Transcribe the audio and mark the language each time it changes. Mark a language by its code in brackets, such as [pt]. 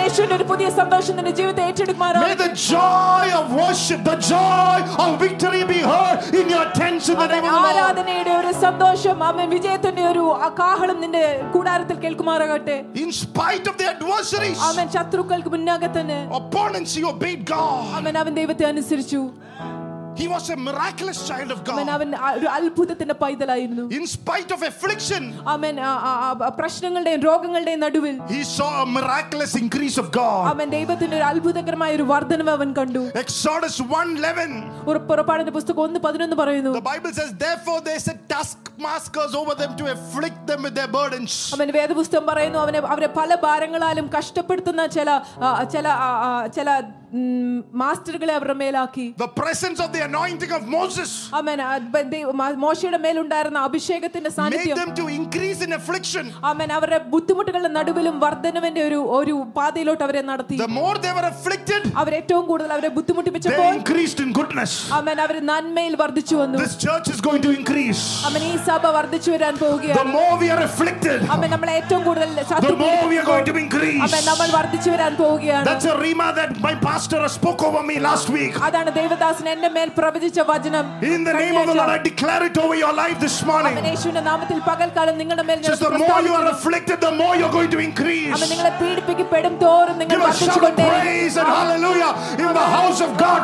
[ml] യേശുവിന്റെ ഒരു പുതിയ സന്തോഷം നിന്റെ ജീവിതത്തെ ഏറ്റെടുക്കുമാറാ. [en] May the joy of worship, the joy of victory be heard in your tents in the name of the Lord. [ml] ആരാധനയുടെ ഒരു സന്തോഷം അമേ വിജയത്തിന്റെ ഒരു ആകാഹളം നിന്റെ കൂടാരത്തിൽ കേൾക്കുമാറാകട്ടെ. [en] In spite of the adversaries. [ml] അമേ ശത്രുക്കൾക്ക് മുന്നാകത്തന്നെ. [en] Opponents, you obeyed God. [ml] അമേ അവൻ ദൈവത്തെ അനുസരിച്ചു. [en] He was a miraculous child of God. [ml] അമേ അവൻ ഒരു അത്ഭുതത്തിന്റെ പൈതലായിരുന്നു. [en] In spite of affliction. [ml] അമേ പ്രശ്നങ്ങളുടെയും രോഗങ്ങളുടെയും നടുവിൽ. [en] He saw a miraculous increase of God. [ml] അമേ ദൈവത്തിന്റെ ഒരു അത്ഭുതകരമായ ഒരു വർദ്ധനവ് അവൻ കണ്ടു. [en] Exodus 1:11. [ml] ഒരു പുറപാടിന്റെ പുസ്തകം 1:11 പറയുന്നു. [en] The Bible says therefore they set taskmasters over them to afflict them with their burdens. [ml] അമേ വേദപുസ്തകം പറയുന്നു അവരെ പല ഭാരങ്ങളാലും കഷ്ടപ്പെടുത്തുന്ന ചില ചില ചില മാസ്റ്ററുകളെ അവരുടെ മേലാക്കി. [en] The presence of the anointing of Moses. [ml] അമേ ബന്ദി മോശയുടെ മേൽ ഉണ്ടായിരുന്ന അഭിഷേകത്തിന്റെ സാന്നിധ്യം. [en] Made them to increase in affliction. [ml] അമേ അവരുടെ ബുദ്ധിമുട്ടുകളുടെ നടുവിലും വർദ്ധനവിന്റെ ഒരു ഒരു പാതയിലോട്ട് അവരെ നടത്തി. [en] The more they were afflicted. [ml] അവർ ഏറ്റവും കൂടുതൽ അവരെ ബുദ്ധിമുട്ടിപ്പിച്ചപ്പോൾ. [en] They increased in goodness. [ml] അമേ അവർ നന്മയിൽ വർദ്ധിച്ചു വന്നു. [en] This church is going to increase. [ml] അമേ ഈ സഭ വർദ്ധിച്ചു വരാൻ പോവുകയാണ്. [en] The more we are afflicted. [ml] അമേ നമ്മൾ ഏറ്റവും കൂടുതൽ ശത്രുക്കളെ. [en] The more we are going to increase. [ml] അമേ നമ്മൾ വർദ്ധിച്ചു വരാൻ പോവുകയാണ്. [en] That's a rhema that my pastor has spoke over me last week. [ml] അതാണ് ദൈവദാസൻ എന്നെ മേൽ പ്രവചിച്ച വചനം. [en] In the name of the Lord I declare it over your life this morning. [ml] അമേ യേശുവിന്റെ നാമത്തിൽ പകൽക്കാലം നിങ്ങളുടെ മേൽ ഞാൻ പ്രസംഗിക്കുന്നു. [en] The more you are afflicted the more you're going to increase. [ml] അമേ നിങ്ങളെ പീഡിപ്പിക്കപ്പെടും തോറും നിങ്ങൾ വർദ്ധിച്ചുകൊണ്ടേ. [en] Give a shout of praise and hallelujah in the house of God.